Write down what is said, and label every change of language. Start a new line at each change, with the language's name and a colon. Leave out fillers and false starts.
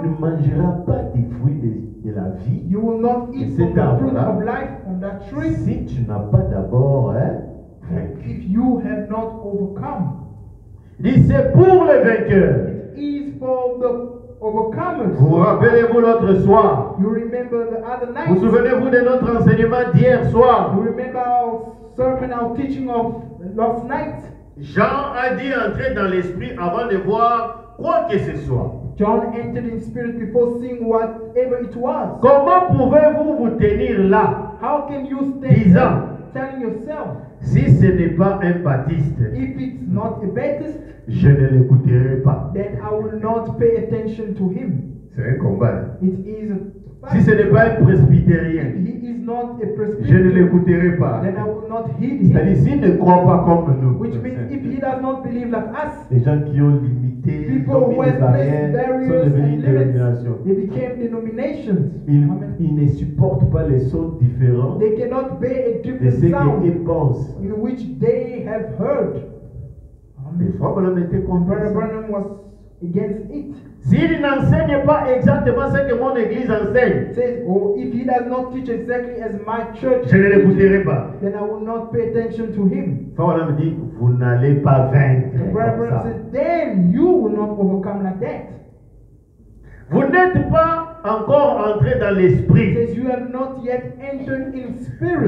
French: tu ne mangeras pas des fruits de la vie.
English: You will not eat from the fruit of life on that tree.
French: Si tu n'as pas d'abord,
English: if you have not overcome.
French: Dit, c'est pour les vainqueurs.
English: It is for the overcomers.
French: Vous rappelez-vous l'autre soir?
English: You remember the other night.
French: Vous souvenez-vous de notre enseignement d'hier soir?
English: You remember our sermon, our teaching of last night?
French: Jean a dit entrer dans l'esprit avant de voir quoi que ce soit.
English: John entered in spirit before seeing whatever it was.
French: Comment pouvez-vous vous tenir là?
English: How can you stay?
French: Disant,
English: telling yourself.
French: Si ce n'est pas un baptiste.
English: If it's not a Baptist,
French: je ne l'écouterai pas.
English: Then I will not pay attention to him.
French: C'est un combat.
English: It is a
French: Si ce n'est pas un presbytérien,
English: he is not a presbytérien,
French: je ne l'écouterai pas.
English: Then I will not heed him.
French: C'est-à-dire s'il ne croit pas comme nous.
English: Which means if he does not believe like us.
French: Les gens qui ont limité,
English: people who have placed barriers
French: sont devenus
English: and
French: dénominations.
English: They became denominations.
French: Ils ne supportent pas les sons différents.
English: They cannot bear a different
French: de ce
English: sound.
French: Qu'ils pensent.
English: In which they have heard.
French: Les frères Branham étaient contre.
English: Brother Branham was against it.
French: S'il n'enseigne pas exactement ce que mon église enseigne,
English: says, oh, if he does not teach exactly as my church,
French: je ne l'écouterai pas.
English: Then I will not pay attention to him.
French: Voilà, me dit, vous n'allez pas vaincre.
English: Brother says, then you will not overcome like that.
French: Vous n'êtes pas encore entré dans l'esprit.
English: Says, you have not yet entered in spirit.